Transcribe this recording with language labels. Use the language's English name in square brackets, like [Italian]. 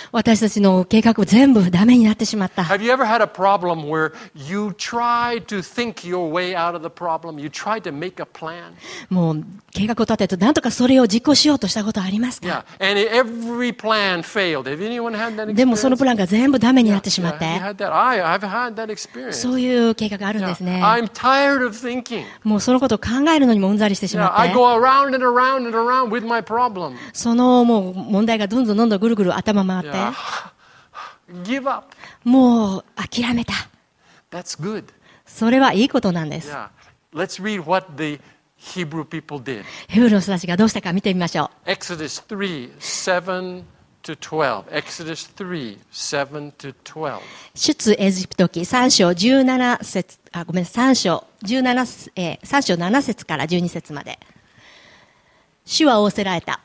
[Japanese] 私たちの計画全部ダメになってしまった。 [English] Have you ever had a problem where you tried to think your way out of the problem? You tried to make a plan? [Japanese] もう計画を立てて何とかそれを実行しようとしたことありますか？ [English] Yeah. And every plan failed. Have anyone had that experience? [Japanese] でもそのプランが全部ダメになってしまって。 [English] Yeah, yeah. Have you had that? I've had that experience. [Japanese] そういう計画があるんですね。 [English] Yeah. I'm tired of thinking. [Japanese] もうそのことを考えるのにもうんざりしてしまって。 [English] Yeah. I go around and around and around with my problem. [Japanese] そのもう問題がどんどんどんどんぐるぐる頭回って。 [English] Yeah. Give up. [Japanese] もう諦めた。 [English] That's good. [Japanese] それはいいことなんです。 [English] Yeah. Let's read what theHebrew people did. [Japanese] ヘブルの人たちがどうしたか見てみましょう。 [English] Exodus 3:7-12. Exodus 3:7-12. [Japanese] 出エジプト記3章17節、あ、ごめんなさい、3章17、3章7節から12節まで。主は仰せられた。